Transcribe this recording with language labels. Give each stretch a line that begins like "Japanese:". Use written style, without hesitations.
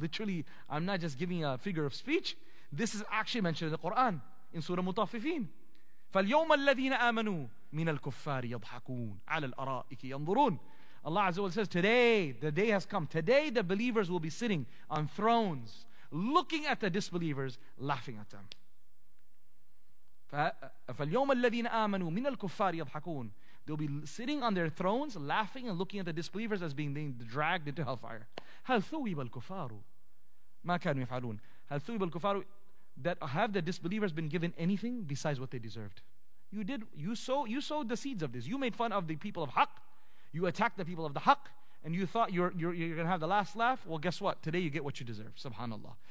English: Literally, I'm not just giving a figure of speech. This is actually mentioned in the Quran, in Surah Mutaffifin.
Arabic: فَالْيَوْمَ الَّذِينَ آمَنُوا مِنَ الْكُفَّارِ يَضْحَكُونَ عَلَى الْأَرَائِكِ يَنظُرُونَ.
English: Allah Azza wa Jalla says, today, the day has come. Today, the believers will be sitting on thrones, looking at the disbelievers, laughing at them.
Arabic: فاليوم الذين آمنوا من الكفار يضحكون.
English: They'll be sitting on their thrones, laughing and looking at the disbelievers as being dragged into hellfire.
Arabic: هل ثوب الكفار ما كانوا يفعلون؟ هل ثوب الكفار,
English: that have the disbelievers been given anything besides what they deserved? You sowed the seeds of this. You made fun of the people of Haqq. You attacked the people of the Haqq, and you thought you're going to have the last laugh. Well, guess what? Today you get what you deserve. Subhanallah.